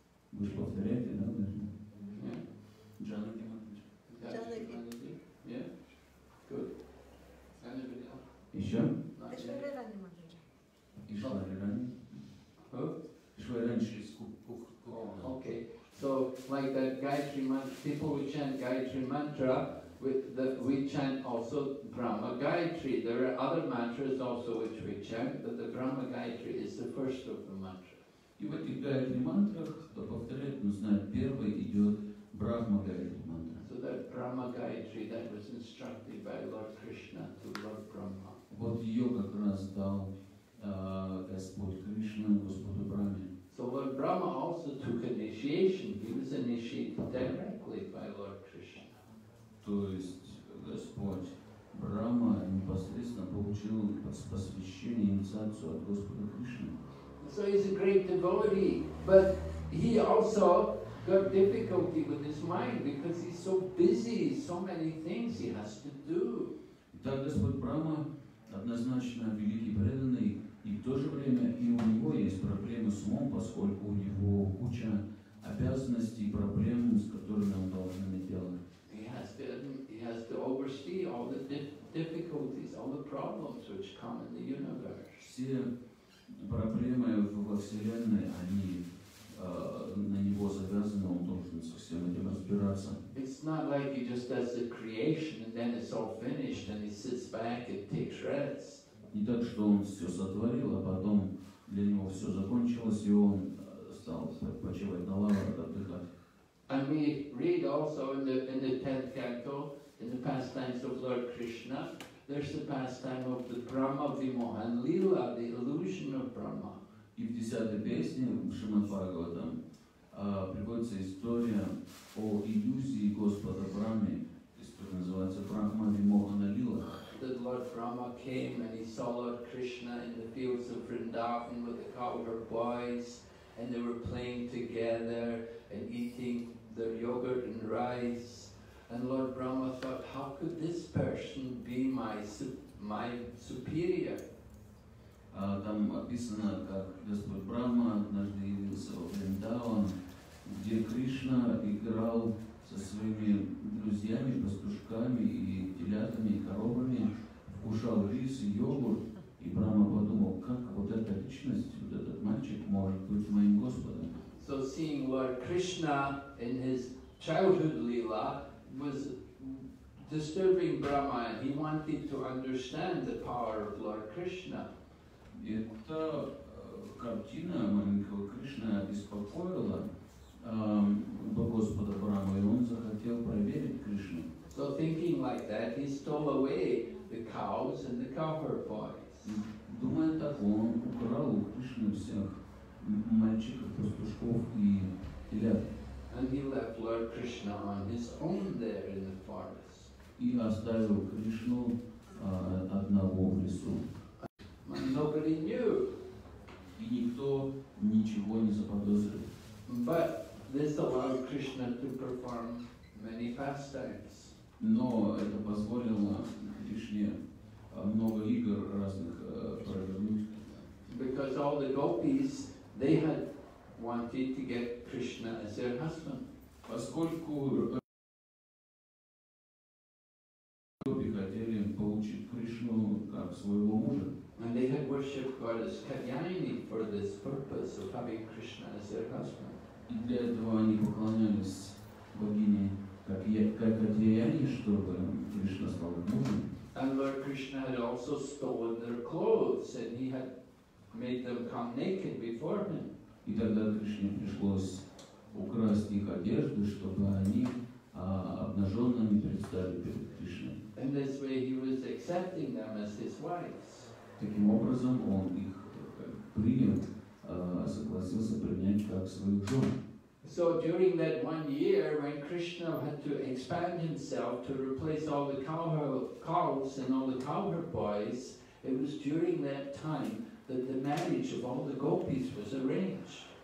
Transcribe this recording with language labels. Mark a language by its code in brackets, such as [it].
[ru] Вы же повторяете, да, Дарья? Mm-hmm. [en] Yeah. [ru] Джанаки Мантра. [en] Yeah? Good. Anybody else? [ru] Еще? Ишварирани. Ишварирани. Ишварирани через кухту. [en] Okay. So, like that Gayatri Mantra, people who chant Gayatri Mantra, we chant also Brahma Gayatri. There are other mantras also which we chant, but the Brahma Gayatri is the first of the mantras. [ru] И в этих Гайатри мантрах, кто повторяет, он знает, первый идет Брахма Гайатри мантра. [en] So that Brahma Gayatri, that was instructed by Lord Krishna to Lord Brahma. [ru] Вот ее как раз дал Господь Кришна Господу Брахме. [en] So Lord Brahma also took initiation. He was initiated directly by Lord Krishna. [ru] То есть Господь Брахма непосредственно получил посвящение, инициацию от Господа Кришны. [en] So he's a great devotee, but he also got difficulty with his mind because he's so busy, so many things he has to do. [ru] Итак, Господь Брахма однозначно великий преданный, и в то же время и у него есть проблемы с умом, поскольку у него куча обязанностей, проблем, с которыми он должен делать. [en] He has to oversee all the difficulties, all the problems which come in the universe. [ru] Все проблемы во Вселенной, они на него завязаны, он должен со всем этим разбираться. [en] It's not like he just does the creation and then it's all finished and he sits back and takes rest. [ru] Не так, что он все сотворил, а потом для него все закончилось, и он стал почивать на лаврах, отдыхать. [en] And we read also in the tenth canto, in the pastimes of Lord Krishna, there's the pastime of the Brahma Vimohan Lila, the illusion of Brahma. [ru] И в десятой песне Шримад-Бхагаватам приводится история о иллюзии Господа Брамы, которая называется Брахма Вимохана Лила. [en] That Lord Brahma came and he saw Lord Krishna in the fields of Vrindavan with the cowherd boys, and they were playing together and eating their yogurt and rice. And Lord Brahma thought, how could this person be my superior? [ru] Там описано, как Господь Брахма однажды явился во Вриндаван, где Кришна играл со своими друзьями, пастушками и телятами, и коровами, вкушал рис и йогурт, и Брахма подумал, как вот эта личность, вот этот мальчик может быть моим Господом. [en] So seeing Lord Krishna in his childhood lila was disturbing Brahma, and he wanted to understand the power of Lord Krishna. [ru] Эта картина маленького Кришны обеспокоила Господа Брахма, и он захотел проверить Кришну. [en] So thinking like that, he stole away the cows and the cowherd boys. [ru] Думая так, он украл у Кришны всех мальчиков, пастушков и телят. [en] And he left Lord Krishna on his own there in the forest. [ru] И оставил Кришну одного в лесу. [en] Nobody knew. [ru] И никто ничего не заподозрил. [en] But this allowed Krishna to perform many pastimes. [ru] Но это позволило Кришне много игр разных провернуть. [en] Because all the gopis, they had wanted to get Krishna as their husband. [ru] Поскольку гопи хотели получить Кришну как своего мужа. [en] And they had worshipped goddess Kalyani for this purpose of having Krishna as their husband. [ru] И для этого они поклонялись богине Кайкатьяяне, чтобы Кришна стал мужем. [en] And Lord Krishna had also stolen their clothes, and he had made them come naked before him. [ru] И тогда Кришне пришлось украсть их одежду, чтобы они обнаженными предстали перед Кришной. [en] In this way he was accepting them as his wives. [ru] Таким образом, он их принял, согласился принять как своих жен. [en] So during that one year, when Krishna had to expand himself to replace all the cows and all the cowherd boys, it was during that time that the marriage of all the gopis was arranged.